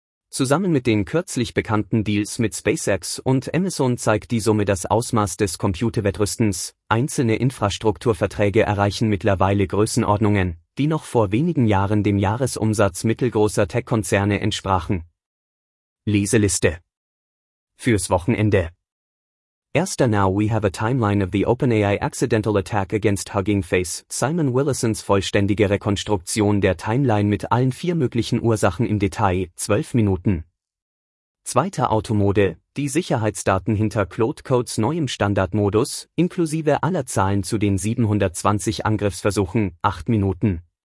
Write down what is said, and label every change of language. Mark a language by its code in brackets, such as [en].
[de] Zusammen mit den kürzlich bekannten Deals mit SpaceX und Amazon zeigt die Summe das Ausmaß des Computerwettrüstens, Einzelne Infrastrukturverträge erreichen mittlerweile Größenordnungen, die noch vor wenigen Jahren dem Jahresumsatz mittelgroßer Tech-Konzerne entsprachen. Leseliste. Fürs Wochenende. Erster: [en] Now we have a timeline of the OpenAI accidental attack against Hugging Face. [de] Simon Willisons vollständige Rekonstruktion der Timeline mit allen vier möglichen Ursachen im Detail, 12 Minuten. Zweiter: Automode, die Sicherheitsdaten hinter Claude Codes neuem Standardmodus, inklusive aller Zahlen zu den 720 Angriffsversuchen, 8 Minuten.